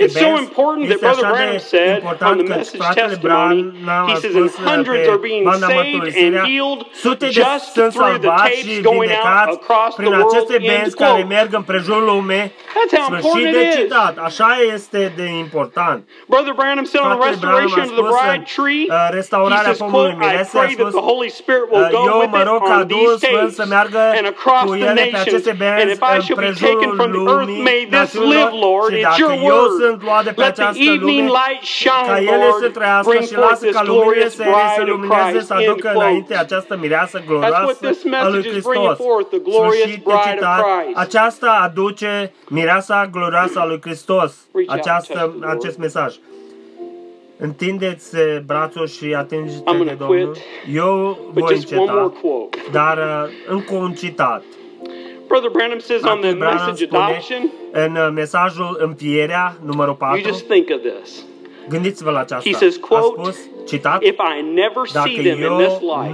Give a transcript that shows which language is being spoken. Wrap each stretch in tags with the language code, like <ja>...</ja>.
<en>bands. It's so important that Brother Branham said on the message testimony, he says hundreds are being saved and healed just through the tapes going out across the world.</en> <ro>Prin aceste bands care merg în prejur lume, sfârșit de citat. Așa este de important.</ro> <en>Brother Branham said on the restoration of the bride tree, he says, quote, I pray that the Holy Spirit will go with it on these tapes and across the nations. And if I should be taken from the earth, may this live, Lord, it's your word. Let the evening light shine, Lord, bring forth this glorious bride of Christ. End quote. That's what this message is bringing forth, the glorious bride of Christ.</en> <ro>Aceasta aduce mireasa glorioasă a lui Hristos, acest mesaj. Întindeți brațul și atingeți-te de Domnul. Eu voi înceta, dar încă un citat.</ro> <en>Brother Branham says on the message adoption,</en> <ro>în mesajul Înfierea, numărul 4,</ro> <en>you just think of this.</en> <ro>Gândiți-vă la aceasta.</ro> <en>He says, quote,</en> <ro>a spus, citat,</ro> <en>if I never see them in this life,</en>